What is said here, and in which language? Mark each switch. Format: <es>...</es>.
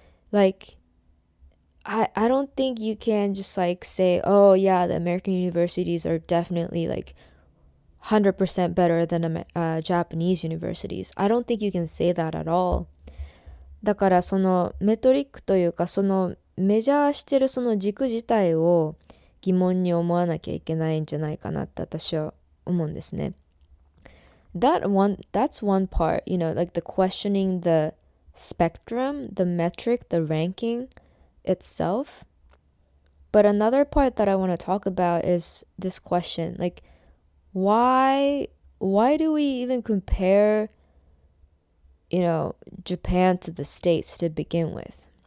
<en>Like, I don't think you can just like say, oh yeah, the American universities are definitely like 100% better than Japanese universities. I don't think you can say that at all.</en> <ja>だからそのメトリックというか、そのメジャーしてるその軸自体を疑問に思わなきゃいけないんじゃないかなって私は思うんですね。</ja> <en>That's one part, like the questioning the spectrum, the metric, the ranking itself. But another part that I want to talk about is this question, like why do we even compare, Japan to the States to begin with?</en>